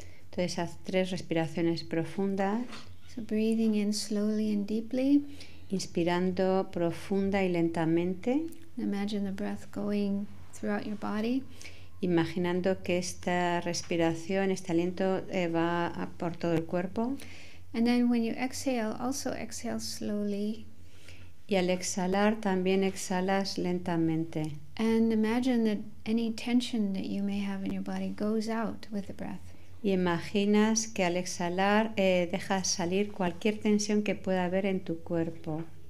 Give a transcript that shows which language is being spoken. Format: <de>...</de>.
<es>Entonces haz 3 respiraciones profundas.</es> <en>So breathing in slowly and deeply.</en> <es>Inspirando profunda y lentamente.</es> <en>Imagine the breath going throughout your body.</en> <es>Imaginando que esta respiración, este aliento va por todo el cuerpo.</es> <en>And then when you exhale, also exhale slowly.</en> <es>Y al exhalar también exhalas lentamente.</es> <en>And imagine that any tension that you may have in your body goes out with the breath.</en> <es>Y imaginas que al exhalar dejas salir cualquier tensión que pueda haber en tu cuerpo.</es>